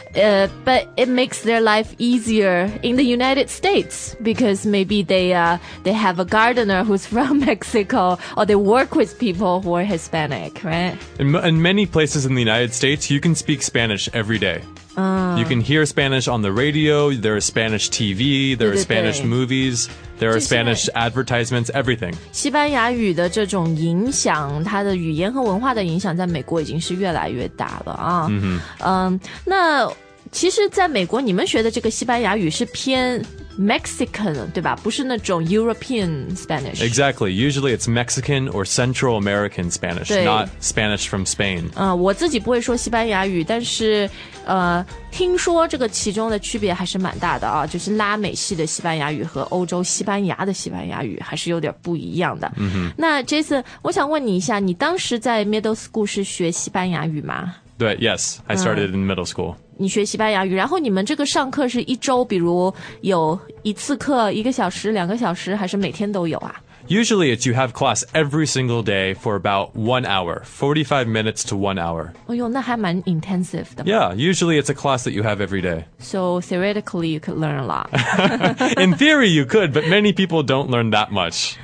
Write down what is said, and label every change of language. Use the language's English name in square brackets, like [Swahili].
[English] But it makes their life easier in the United States because maybe they have a gardener who's from Mexico or they work with people who are Hispanic, right? In many places in the United States, you can speak Spanish every day. You can hear Spanish on the radio, there are Spanish TV, there are Spanish movies, there are Spanish advertisements, everything. [Chinese] 西班牙语的这种影响，它的语言和文化的影响在美国已经是越来越大了啊。嗯、那其实在美国你们学的这个西班牙语是偏 Mexican, 对吧？不是那种 [English] European Spanish. Exactly. Usually it's Mexican or Central American Spanish, not Spanish from Spain. [Chinese] 我自己不会说西班牙语，但是听说这个其中的区别还是蛮大的啊，就是拉美系的西班牙语和欧洲西班牙的西班牙语还是有点不一样的。 Mm-hmm. 那 Jason, 我想问你一下，你当时在 middle school 是学西班牙语吗？ [English] 对 ，Yes, I started in middle school. [Chinese] 你学西班牙语，然后你们这个上课是一周，比如有一次课一个小时、两个小时，还是每天都有啊？ [English] Usually, it's you have class every single day for about 1 hour, 45 minutes to 1 hour. [Chinese] 哦呦，那还蛮 intensive 的。 [English] Yeah, usually it's a class that you have every day. So theoretically, you could learn a lot. In theory, you could, but many people don't learn that much.